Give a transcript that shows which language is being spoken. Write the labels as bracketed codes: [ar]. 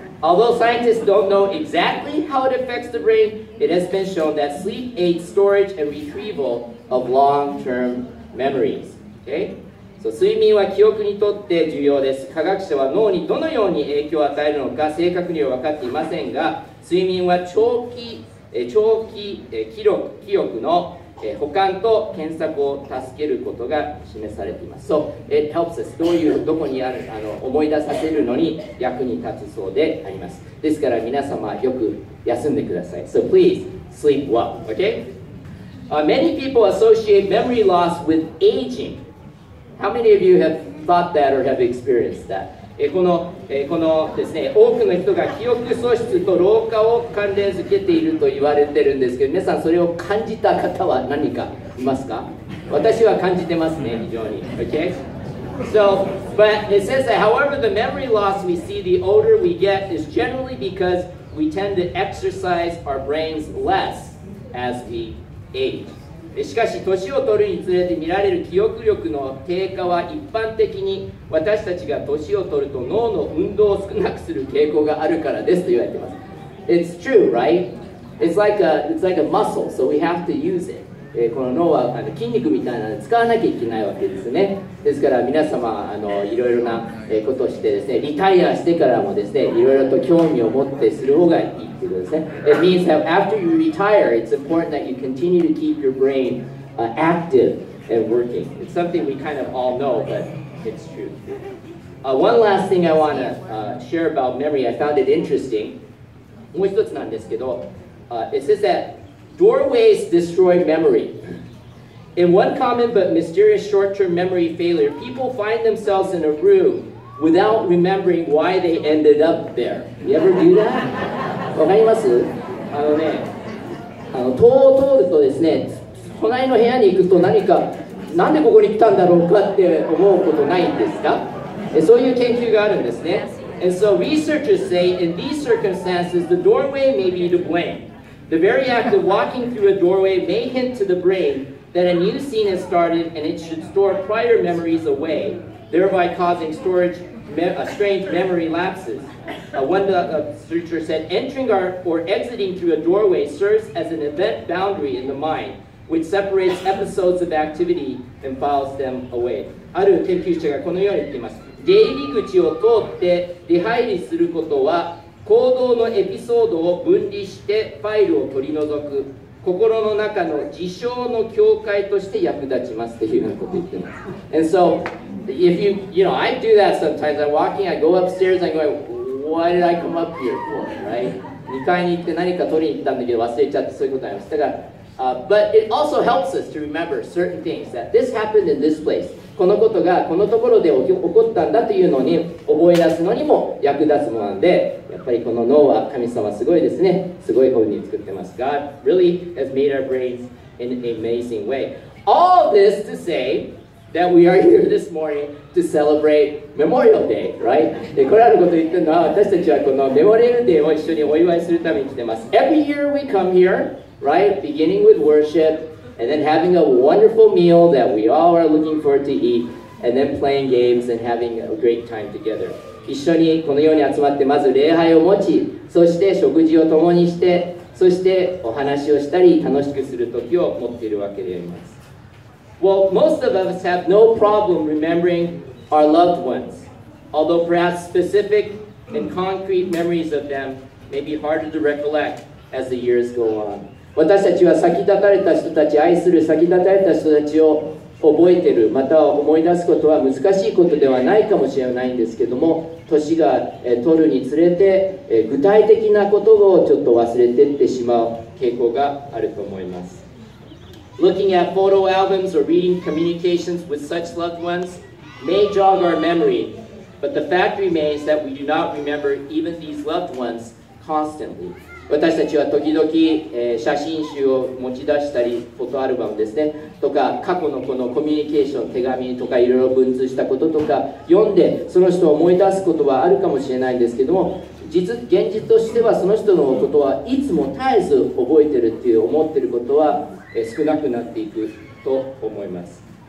[en] Although scientists don't know exactly how it affects the brain, it has been shown that sleep aids storage and retrieval of long-term memories. Okay? [ja] So, 睡眠は記憶にとって重要です。科学者は脳にどのように影響を与えるのか正確には分かっていませんが、睡眠は長期記憶の保管と検索を助けることが示されています。 [en] So, it helps us. [ja] どういう、どこにある、思い出させるのに役に立つそうであります。ですから皆様、よく休んでください。 [en] So, please, sleep well. Okay? Many people associate memory loss with aging. How many of you have thought that or have experienced that? [ja] このですね、多くの人が記憶喪失と老化を関連づけていると言われてるんですけど皆さんそれを感じた方は何かいますか私は感じてますね非常に Okay? [en] So, but it says that however the memory loss we see the older we get is generally because we tend to exercise our brains less as we age [ja] しかし年を取るにつれて見られる記憶力の低下は一般的に私たちが年を取ると脳の運動を少なくする傾向があるからですと言われています。 [en] It's true, right? It's like a muscle, so we have to use it. [ja] この脳は筋肉みたいなので使わなきゃいけないわけですね。ですから皆様、いろいろなことをしてですね、リタイアしてからもですね、いろいろと興味を持ってする方がいいということですね。 [en] It means that after you retire, it's important that you continue to keep your brain active and working. It's something we kind of all know, but it's true. One last thing I want to share about memory, I found it interesting. [ja] もう一つなんですけど、 [en] it says that doorways destroy memory. In one common but mysterious short-term memory failure, people find themselves in a room without remembering why they ended up there. You ever do that? [ja] わかります？あのね、あの塔を通るとですね、隣の部屋に行くと何か、なんでここに来たんだろうかって思うことないんですか？そういう研究があるんですね。 [en] And so researchers say, in these circumstances, the doorway may be to blame. The very act of walking through a doorway may hint to the brain that a new scene has started and it should store prior memories away, thereby causing storage strange memory lapses. One researcher said, entering or exiting through a doorway serves as an event boundary in the mind, which separates episodes of activity and files them away. [ja] ある研究者がこのように言っています。出入り口を通って出入りすることは行動のエピソードを分離してファイルを取り除く心の中の事象の境界として役立ちますというようなことを言ってます。 [en] And so, if you, you know, I do that sometimes. I'm walking, I go upstairs, I'm going, why did I come up here for, right? [ja] 2階に行って何か取りに行ったんだけど忘れちゃってそういうことありました。だから、 [en] but it also helps us to remember certain things that this happened in this place. [ja] このことがこのところで起こったんだというのに覚え出すのにも役立つものなんで、やっぱりこの脳は神様すごいですね。すごいふうに作ってます。 [en] God really has made our brains in an amazing way. All this to say that we are here this morning to celebrate Memorial Day, right? [ja] で、これあること言ってるのは、私たちはこのメモリアルデーを一緒にお祝いするために来てます。 [en] Every year we come here, right? Beginning with worship. And then having a wonderful meal that we all are looking forward to eat, and then playing games and having a great time together. [ja] 一緒にこのように集まってまず礼拝を持ち、そして食事を共にして、そしてお話をしたり楽しくする時を持っているわけであります。 [en] Well, most of us have no problem remembering our loved ones, although perhaps specific and concrete memories of them may be harder to recollect as the years go on. [ja] 私たちは先立たれた人たち、愛する先立たれた人たちを覚えている、または思い出すことは難しいことではないかもしれないんですけども、年が取るにつれて、具体的なことをちょっと忘れていってしまう傾向があると思います。 [en] Looking at photo albums or reading communications with such loved ones may jog our memory, but the fact remains that we do not remember even these loved ones constantly. [ja] 私たちは時々、写真集を持ち出したり、フォトアルバムですね、とか、過去のこのコミュニケーション、手紙とか、いろいろ文通したこととか、読んで、その人を思い出すことはあるかもしれないんですけども、実、現実としては、その人のことはいつも絶えず覚えてるっていう、思ってることは、少なくなっていくと思います。